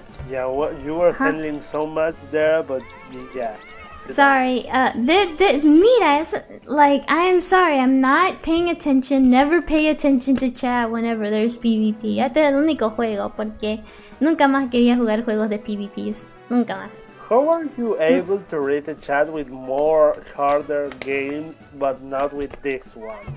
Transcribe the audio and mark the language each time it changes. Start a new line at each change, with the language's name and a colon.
English: Yeah, well, you were handling so much there, but yeah. Sorry, Mira, it's like, I am sorry, I'm not paying attention, never pay attention to chat whenever there's PvP.
Spanish: Este es el único juego, porque nunca más quería jugar juegos de PvPs, nunca más.
English: How are you able to read the chat with more harder games, but not with this one?